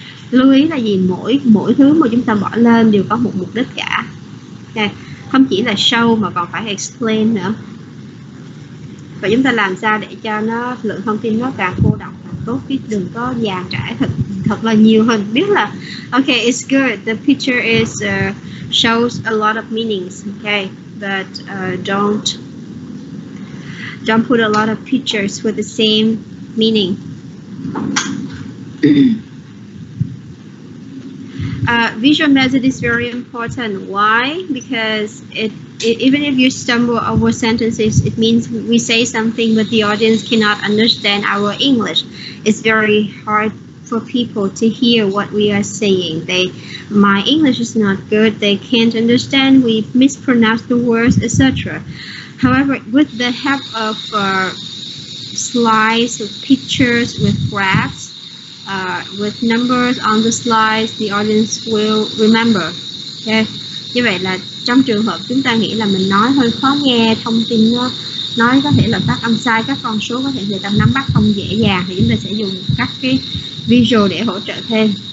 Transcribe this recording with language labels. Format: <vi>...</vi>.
<vi>Lưu ý là gì, mỗi thứ mà chúng ta bỏ lên đều có một mục đích cả. Okay. Không chỉ là show mà còn phải explain nữa. Và chúng ta làm sao để cho nó lượng thông tin nó càng cô đọng càng tốt, chứ đừng có dàn trải thật là nhiều hình. Biết là</vi> <en>okay, it's good, the picture is shows a lot of meanings, okay, but don't put a lot of pictures with the same meaning. Visual method is very important. Why? Because it even if you stumble over sentences, it means we say something but the audience cannot understand our English. It's very hard for people to hear what we are saying. My English is not good, they can't understand, we mispronounce the words, etc. However, with the help of slides, with pictures, with graphs, with numbers on the slides, the audience will remember. Okay.</en> <vi>Như vậy là trong trường hợp chúng ta nghĩ là mình nói hơi khó nghe, thông tin nói có thể là phát âm sai, các con số có thể người ta nắm bắt không dễ dàng, thì chúng ta sẽ dùng các cái visual để hỗ trợ thêm.</vi>